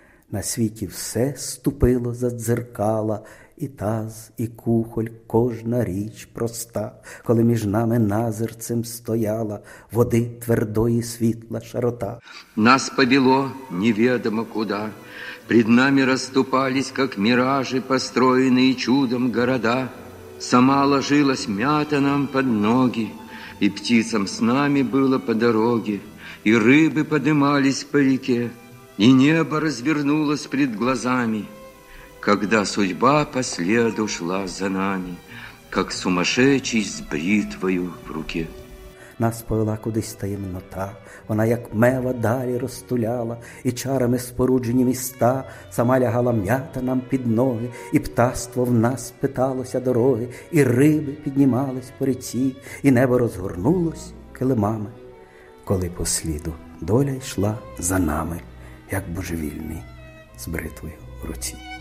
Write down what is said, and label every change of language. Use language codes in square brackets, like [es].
[uk] На світі все ступило за дзеркала, і таз, і кухоль, кожна річ проста, коли між нами назерцем стояла води твердої світла широта. Нас повело невідомо куди. [ru] Пред нами расступались, как миражи, построенные чудом города. Сама ложилась мята нам под ноги, и птицам с нами было по дороге, и рыбы подымались по реке, и небо развернулось пред глазами, когда судьба по следу шла за нами, как сумасшедший с бритвою в руке. [uk] Нас повела кудись таємнота, вона як мева далі розтуляла, і чарами споруджені міста, сама лягала м'ята нам під ноги, і птаство в нас питалося дороги, і риби піднімались по реці, і небо розгорнулось килимами, коли по сліду доля йшла за нами, як божевільний з бритвою в руці.